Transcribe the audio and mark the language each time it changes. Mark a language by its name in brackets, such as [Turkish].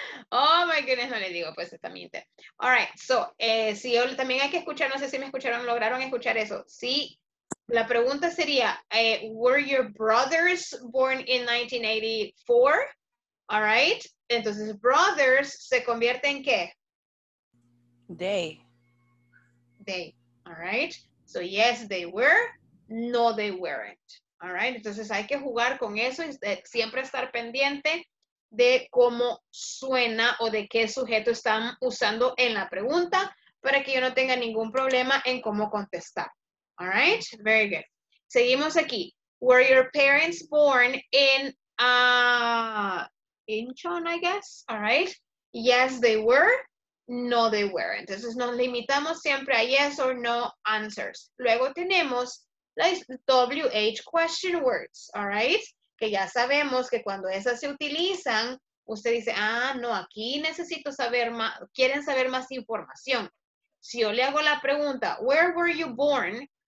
[English] Oh my goodness, [Spanish] no le digo, pues está mi inter. [English] All right, so, [Spanish] si yo también hay que escuchar, no sé si me escucharon, lograron escuchar eso. Sí, la pregunta sería, [English] were your brothers born in 1984? All right, [Spanish] entonces, brothers se convierte en qué? [English] They. They, all right. So, yes, they were. No, they weren't. All right, [Spanish] entonces hay que jugar con eso y siempre estar pendiente de cómo suena o de qué sujeto están usando en la pregunta para que yo no tenga ningún problema en cómo contestar. [English] All right, very good. [Spanish] Seguimos aquí. [English] Were your parents born in Incheon, I guess? All right. Yes, they were. No, they weren't. [Spanish] Entonces nos limitamos siempre a [English] yes or no answers. [Spanish] Luego tenemos las WH question words. [English] All right. [Spanish] Que ya sabemos que cuando esas se utilizan, usted dice, ah, no, aquí necesito saber más, quieren saber más información. Si yo le hago la pregunta, [English] where were you born?